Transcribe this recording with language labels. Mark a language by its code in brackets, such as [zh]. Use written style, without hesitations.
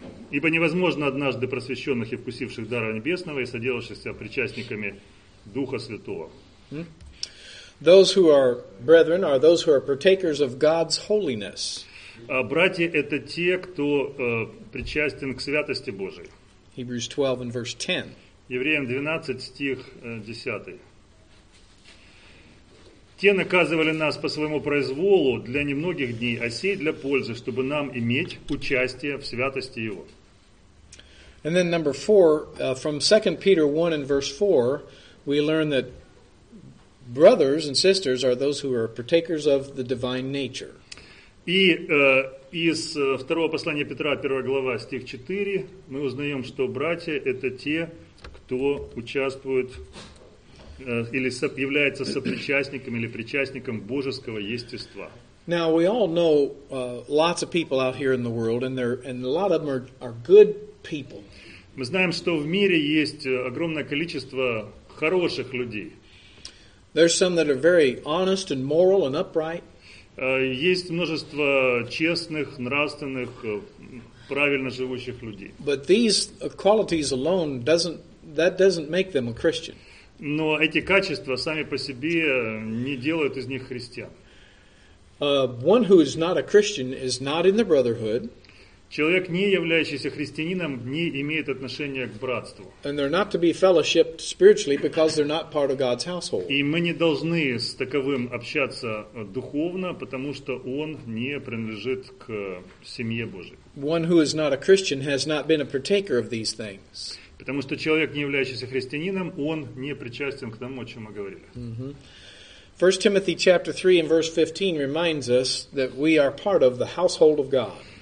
[ru] Ибо невозможно однажды просвещенных и вкусивших дара небесного и соделавшихся причастниками Духа Святого. [en] Those who are brethren are those who are partakers of God's holiness. [ru] Братья – это те, кто причастен к святости Божией. [en] Hebrews 12 and verse 10. [ru] Евреям 12, стих 10. Те наказывали нас по своему произволу для немногих дней, а сей для пользы, чтобы нам иметь участие в святости Его. [en] And then number 4, from 2 Peter 1 and verse 4, we learn that brothers and sisters are those who are partakers of the divine nature. [ru] И из второго послания Петра, 1 глава, стих 4, мы узнаем, что братья – это те, кто участвует или является сопричастником или причастником божеского естества. [en] Now, we all know lots of people out here in the world, and a lot of them are good people. [ru] Мы знаем, что в мире есть огромное количество хороших людей. [en] There's some that are very honest and moral and upright. [ru] Есть множество честных, нравственных, правильно живущих людей. [en] But these qualities alone doesn't make them a Christian. [ru] Но эти качества сами по себе не делают из них христиан. [en] One who is not a Christian is not in the brotherhood. [ru] Человек, не являющийся христианином, не имеет отношения к братству. [en] And they're not to be fellowshipped spiritually because they're not part of God's household. [ru] И мы не должны с таковым общаться духовно, потому что он не принадлежит к семье Божьей. [en] One who is not a Christian has not been a partaker of these things. [ru] Потому что человек, не являющийся христианином, он не причастен к тому, о чем мы говорили. Mm-hmm. [en] 1 Timothy chapter 3 and verse 15 reminds us that we are part of the household of God.